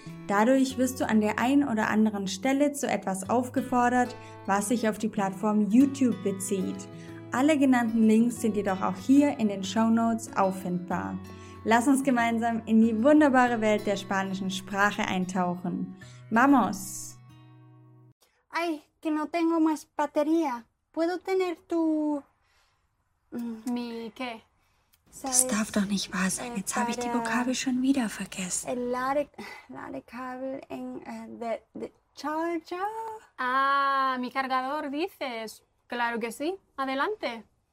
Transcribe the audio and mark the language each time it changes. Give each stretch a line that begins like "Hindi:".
German: Dadurch wirst du an der einen oder anderen Stelle zu etwas aufgefordert, was sich auf die Plattform YouTube bezieht. Alle genannten Links sind jedoch auch hier in den Shownotes auffindbar. Lass uns gemeinsam in die wunderbare Welt der spanischen Sprache eintauchen.
Spanish: ¡Vamos! Ay, que no tengo más batería. ¿Puedo tener tu... mi... qué?
German: Das darf doch nicht wahr sein. Jetzt habe ich die Vokabel schon wieder vergessen.
Spanish: El ladekabel en...
English: the charger?
Spanish: Ah, mi cargador, dices. Claro que sí. Adelante.